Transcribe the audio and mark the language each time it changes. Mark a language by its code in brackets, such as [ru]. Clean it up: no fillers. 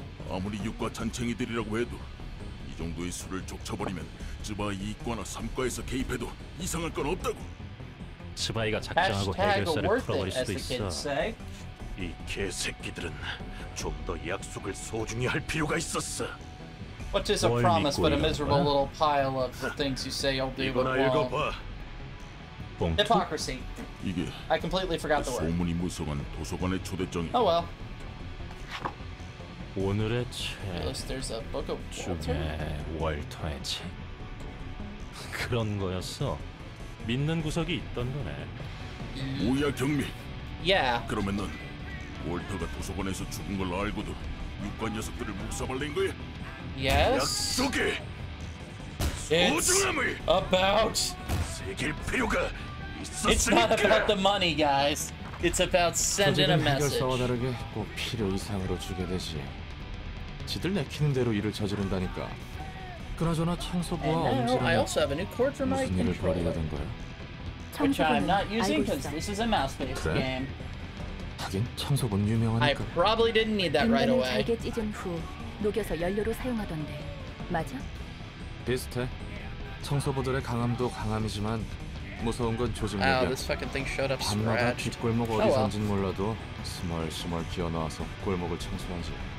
[ko] 아무리 육과 잔챙이들이라고 해도 이 정도의 수를 족쳐버리면 쯔바이 2과나 3과에서 개입해도 이상할 건 없다고! 쯔바이가 작정하고 해결사를 풀어버릴 수도 있어. 이 개새끼들은 좀 더 약속을 소중히 할 필요가 있었어. [en] What is a promise but a miserable little pile of the things you say you'll do but won't. Hypocrisy. [ko] 이게 [en] I completely forgot the word. [ko] 소문이 무성한 도서관의 초대장이. [en] Oh well. [ko] 오늘의 책. [en] Unless there's a book of [ko] Walter. 그런 거였어. 믿는 구석이 있던 거네. 뭐야 경미. [en] Yeah. [ko] 그러면 넌 월터가 도서관에서 죽은 걸 알고도 육관 녀석들을 묵살낸 거야? [en] Yes. [ko] 약속해. 소중함을. [en] It's about. [ko] 새길 필요가 있었으니까. [en] It's not about the money, guys. It's about sending a message. [ko] 해결사와 다르게 꼭 필요 이상으로 주게 되지. 지들 내키는 대로 일을 저지른다니까. 그나저나 청소부와 엄지랑 무슨 일을 벌이려던 거야? [en] Which I'm not using because this is a mouse-based [ko] 그래? [en] game. [ko] 하긴 청소부는 유명하니까. [en] I probably didn't need that right away. [ko] 잘게 찢은 후 녹여서 연료로 사용하던데, 맞아? 비슷해. 청소부들의 강함도 강함이지만 무서운 건 조직력이야. [en] Wow, [ko] 밤마다 뒷골목 어디 선진 몰라도 스멀스멀 기어나와서 골목을 청소하지.